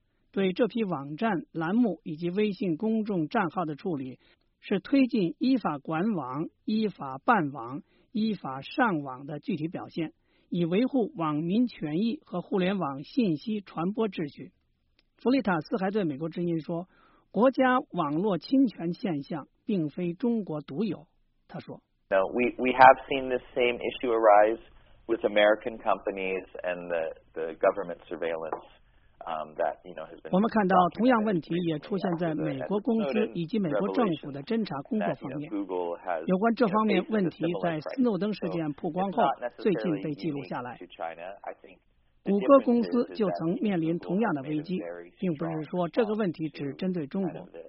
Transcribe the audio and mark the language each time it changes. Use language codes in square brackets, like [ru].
[zh] 对这批网站栏目以及微信公众账号的处理，是推进依法管网、依法办网、依法上网的具体表现，以维护网民权益和互联网信息传播秩序。弗利塔斯还对美国之音说，国家网络侵权现象并非中国独有。他说 [en] No, we have seen this same issue arise with American companies and the government surveillance that you know has been. [zh] 我们看到同样问题也出现在美国公司以及美国政府的侦查工作方面。有关这方面问题在斯诺登事件曝光后最近被记录下来。谷歌公司就曾面临同样的危机，并不是说这个问题只针对中国。